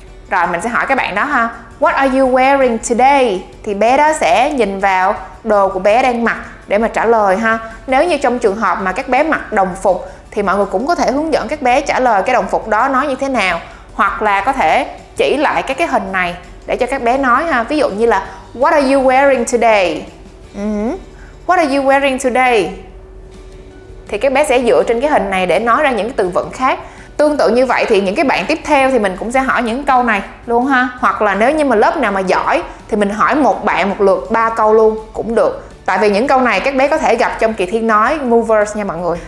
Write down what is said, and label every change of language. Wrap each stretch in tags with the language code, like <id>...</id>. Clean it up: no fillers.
<vi>Rồi mình sẽ hỏi các bạn đó ha,</vi> <en>what are you wearing today?</en> <vi>Thì bé đó sẽ nhìn vào đồ của bé đang mặc để mà trả lời ha. Nếu như trong trường hợp mà các bé mặc đồng phục thì mọi người cũng có thể hướng dẫn các bé trả lời cái đồng phục đó nói như thế nào, hoặc là có thể chỉ lại các cái hình này để cho các bé nói ha. Ví dụ như là</vi> <en>what are you wearing today? What are you wearing today?</en> <vi>Thì các bé sẽ dựa trên cái hình này để nói ra những cái từ vựng khác. Tương tự như vậy thì những cái bạn tiếp theo thì mình cũng sẽ hỏi những câu này luôn ha. Hoặc là nếu như mà lớp nào mà giỏi thì mình hỏi một bạn một lượt 3 câu luôn cũng được. Tại vì những câu này các bé có thể gặp trong kỳ thi nói Movers nha mọi người.</vi>